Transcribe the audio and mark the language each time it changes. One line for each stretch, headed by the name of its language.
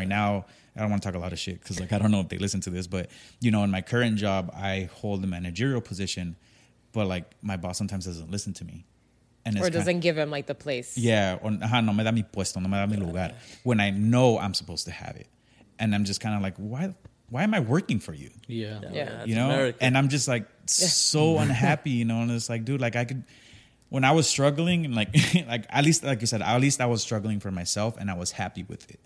English: Right now, I don't want to talk a lot of shit because like I don't know if they listen to this. But, you know, in my current job, I hold a managerial position, but like my boss sometimes doesn't listen to me. And or doesn't give him like the place. Yeah.
Spanish: Or, no me da mi puesto, no me da mi lugar.
English: When I know I'm supposed to have it. And I'm just kind of like, why am I working for you? Yeah. You know? American. And I'm just like so unhappy, you know? And it's like, dude, like I could, when I was struggling and like, like at least, like you said, at least I was struggling for myself and I was happy with it.